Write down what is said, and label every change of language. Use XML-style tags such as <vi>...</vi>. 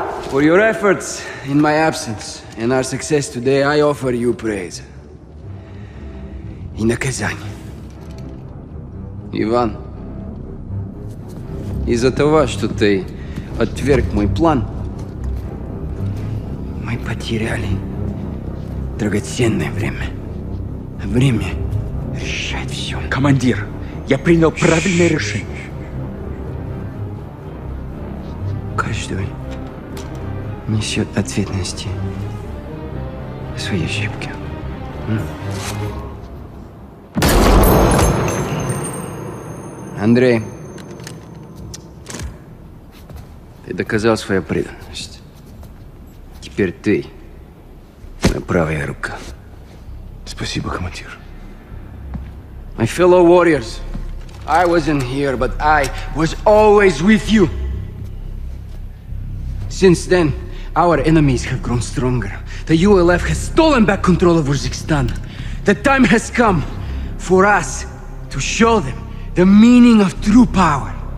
<en>For your efforts in my absence and our success today, I offer you praise. In the Kazan.</en> <ru>Иван, из-за того, что ты отверг мой план, мы потеряли драгоценное время. Время решает все. Командир! Я принял правильное решение. Каждый несет ответственность за свои ошибки. Андрей, ты доказал свою преданность. Теперь ты моя правая рука. Спасибо, командир.</ru> <en>My fellow warriors, I wasn't here, but I was always with you. Since then, our enemies have grown stronger. The ULF has stolen back control of Uzbekistan. The time has come for us to show them the meaning of true power.</en>